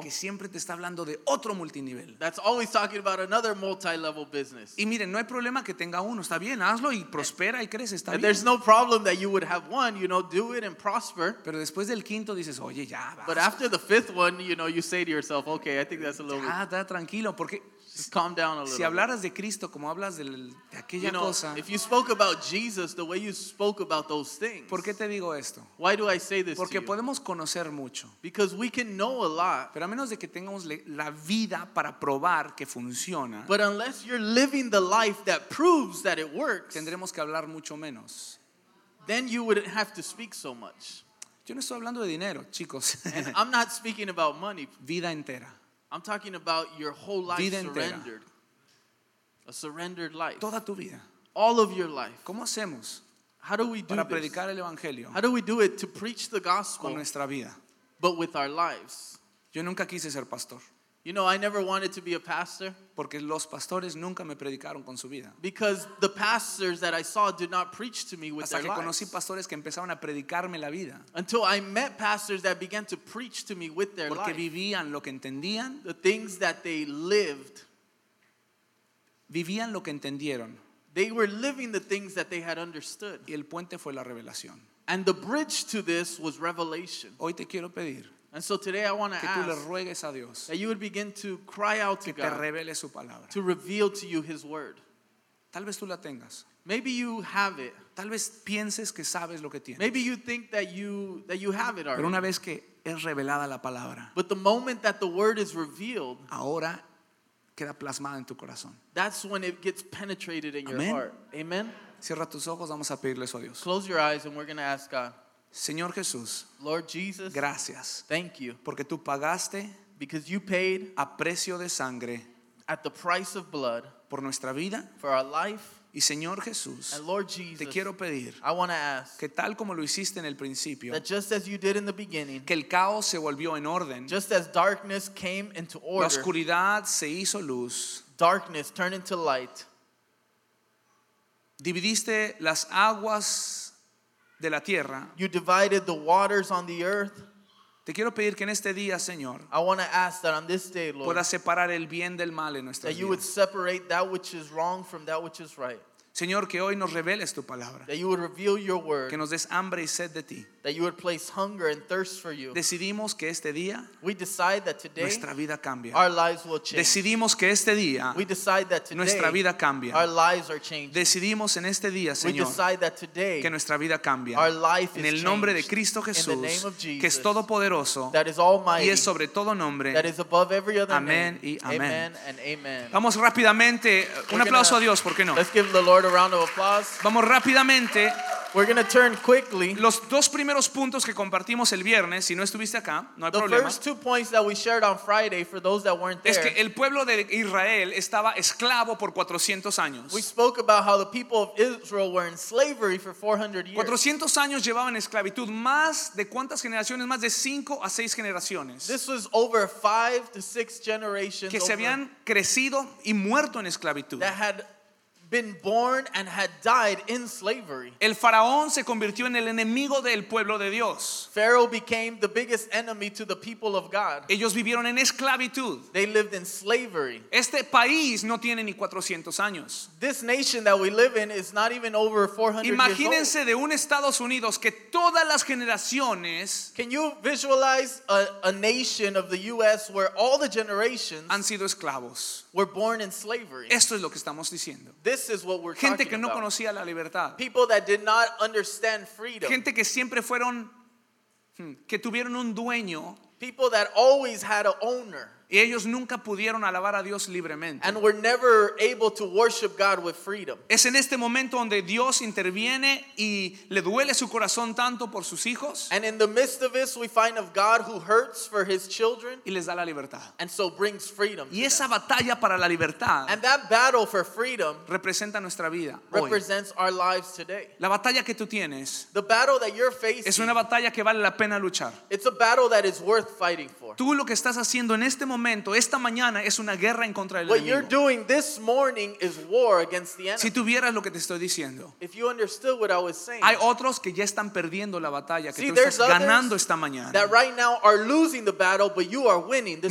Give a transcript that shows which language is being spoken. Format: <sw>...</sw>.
<es>que siempre te está hablando de otro multinivel.</es> <en>That's always talking about another multi-level business.</en> <es>Y miren, no hay problema que tenga uno, está bien, hazlo y prospera y crece, está</es> <en>and</en> <es>bien.</es> <en>There's no problem that you would have one, you know, do it and prosper.</en> <es>Pero después del quinto dices, oye, ya. Vas.</es> <en>But after the fifth one, you know, you say to yourself, okay, I think that's a little.</en> <es>Ah, da tranquilo, porque.</es> <en>Just calm down a little.</en> <es>Si hablaras de Cristo como hablas de aquella</es> <en>you know,</en> <es>cosa.</es> <en>If you spoke about Jesus the way you spoke about those things.</en> <es>¿Por qué te digo esto?</es> <en>Why do I say this?</en> <es>Porque</es> <en>to</en> <es>podemos</es> <en>you?</en> <es>Conocer mucho.</es> <en>Because we can know a lot.</en> <es>Pero a menos de que tengamos la vida para probar que funciona.</es> <en>But unless you're living the life that proves that it works.</en> <es>Tendremos que hablar mucho menos.</es> <en>Then you wouldn't have to speak so much.</en> <es>Yo no estoy hablando de dinero, chicos.</es> <en>And I'm not speaking about money.</en> <es>Vida entera.</es> <en>I'm talking about your whole life</en> <es>vida</es> <en>surrendered.</en> <es>Entera.</es> <en>A surrendered life.</en> <es>Toda tu vida.</es> <en>All of your life.</en> <es>¿Cómo hacemos?</es> <en>How do we do</en> <es>para predicar</es> <en>this?</en> <es>El evangelio?</es> <en>How do we do it to preach the gospel?</en> <es>Con nuestra vida.</es> <en>But with our lives.</en> <es>Yo nunca quise ser pastor.</es> <en>You know, I never wanted to be a pastor.</en> <es>Porque los pastores nunca me predicaron con su vida.</es> <en>Because the pastors that I saw did not preach to me with</en> <es>hasta</es> <en>their lives.</en> <es>Hasta que conocí pastores que empezaron a predicarme la vida.</es> <en>Until I met pastors that began to preach to me with their</en> <es>porque</es> <en>life.</en> <es>Porque vivían lo que entendían.</es> <en>The things that they lived.</en> <es>Vivían lo que entendieron.</es> <en>They were living the things that they had understood.</en> <es>Y el puente fue la revelación.</es> <en>And the bridge to this was revelation.</en> <es>Hoy te quiero pedir.</es> <en>And so today I want to ask that you would begin to cry out to</en> <es>que te</es> <en>God</en> <es>revele su palabra.</es> <en>To reveal to you his word.</en> <es>Tal vez tú la tengas.</es> <en>Maybe you have it.</en> <es>Tal vez pienses que sabes lo que tienes.</es> <en>Maybe you think that you have it already.</en> <es>Pero una vez que es revelada la palabra,</es> <en>but the moment that the word is revealed,</en> <es>ahora queda plasmada en tu corazón.</es> <en>That's when it gets penetrated in</en> <es>amen.</es> <en>Your heart. Amen.</en> <es>Cierra tus ojos, vamos a pedirle eso a Dios.</es> <en>Close your eyes and we're going to ask God.</en> <es>Señor Jesús,</es> <en>Lord Jesus,</en> <es>gracias.</es> <en>Thank you.</en> <es>Porque tú pagaste</es> <en>because you paid</en> <es>a precio de sangre</es> <en>at the price of blood</en> <es>por nuestra vida</es> <en>for our life.</en> <es>Y Señor Jesús,</es> <en>and Lord Jesus,</en> <es>te quiero pedir</es> <en>I want to ask</en> <es>que tal como lo hiciste en el principio,</es> <en>that just as you did in the beginning,</en> <es>que el caos se volvió en orden,</es> <en>just as darkness came into order,</en> <es>la oscuridad se hizo luz,</es> <en>darkness turned into light.</en> <es>Dividiste las aguas de la tierra.</es> <en>You divided the waters on the earth.</en> <es>Te quiero pedir que en este día, Señor,</es> <en>I want to ask that on this day, Lord,</en> <es>puedas separar el bien del mal en nuestra vida.</es> <en>That you would separate that which is wrong from that which is right.</en> <es>Señor, que hoy nos reveles tu palabra.</es> <en>That you would reveal your word.</en> <es>Que nos des hambre y sed de ti.</es> <en>That you would place hunger and thirst for you.</en> <es>Decidimos que este día,</es> <en>we decide that today,</en> <es>nuestra vida cambia.</es> <en>Our lives will change.</en> <es>Decidimos que este día,</es> <en>we decide that today,</en> <es>nuestra vida cambia.</es> <en>Our lives are changing.</en> <es>Decidimos en este día, Señor,</es> <en>we decide that today,</en> <es>que nuestra vida cambia.</es> <en>Our life is</en> <es>en el nombre de Cristo Jesús,</es> <en>in the name of Jesus,</en> <es>que es todopoderoso,</es> <en>that is almighty,</en> <es>y es sobre todo nombre,</es> <en>that is above every other name.</en> <es>Amén y amén.</es> <en>Amen and amen.</en> <es>Vamos rápidamente, un aplauso a Dios, ¿por qué no?</es> <en>Let's give the Lord a round of applause.</en> <es>Vamos rápidamente.</es> <en>We're going to turn quickly.</en> <es>Los dos primeros puntos que compartimos el viernes, si no estuviste acá, no hay</es> <en>the</en> <es>problema.</es> <en>The first two points that we shared on Friday for those that weren't there.</en> <es>Es que el pueblo de Israel estaba esclavo por 400 años.</es> <en>We spoke about how the people of Israel were in slavery for 400 years.</en> <es>400 años llevaban esclavitud, más de cuántas generaciones, más de 5 a 6 generaciones.</es> <en>This was over 5 to 6 generations</en> <es>que se habían crecido y muerto en esclavitud.</es> <en>That had been born and had died in slavery.</en> <es>El faraón se convirtió en el enemigo del pueblo de Dios.</es> <en>Pharaoh became the biggest enemy to the people of God.</en> <es>Ellos vivieron en esclavitud.</es> <en>They lived in slavery.</en> <es>Este país no tiene ni 400 años.</es> <en>This nation that we live in is not even over 400 years old.</en> <es>Imagínense de un Estados Unidos que todas las generaciones.</es> <en>Can you visualize a nation of the U.S. where all the generations</en> <es>han sido esclavos?</es> <en>Were born in slavery.</en> <es>Esto es lo que estamos diciendo.</es> <en>This is what we're</en> <es>gente</es> <en>talking</en> <es>que no</es> <en>about.</en> <es>Conocía la libertad.</es> <en>People that did not understand freedom.</en> <es>Gente que siempre fueron, que tuvieron un dueño.</es> <en>People that always had an owner.</en> <es>Y ellos nunca pudieron alabar a Dios libremente.</es> <en>And were never able to worship God with freedom.</en> <es>Es en este momento donde Dios interviene y le duele su corazón tanto por sus hijos.</es> <en>And in the midst of this we find of God who hurts for his children.</en> <es>Y les da la libertad.</es> <en>And so brings freedom.</en> <es>Y esa batalla para la libertad.</es> <en>And that battle for freedom.</en> <es>Representa nuestra vida hoy.</es> <en>Represents our lives today.</en> <es>La batalla que tú tienes.</es> <en>The battle that you're facing.</en> <es>Es una batalla que vale la pena luchar.</es> <en>It's a battle that is worth fighting for.</en> <es>Tú lo que estás haciendo en este momento, esta mañana es una guerra en contra del</es> <en>what</en> <es>enemigo.</es> <en>You're doing this morning is war against the enemy.</en> <es>Si tuvieras lo que te estoy diciendo,</es> <en>if you understood what I was saying,</en> <es>hay otros que ya están perdiendo la batalla que</es> <en>see,</en> <es>tú estás ganando esta mañana.</es> <en>That right now are losing the battle, but you are winning this</en>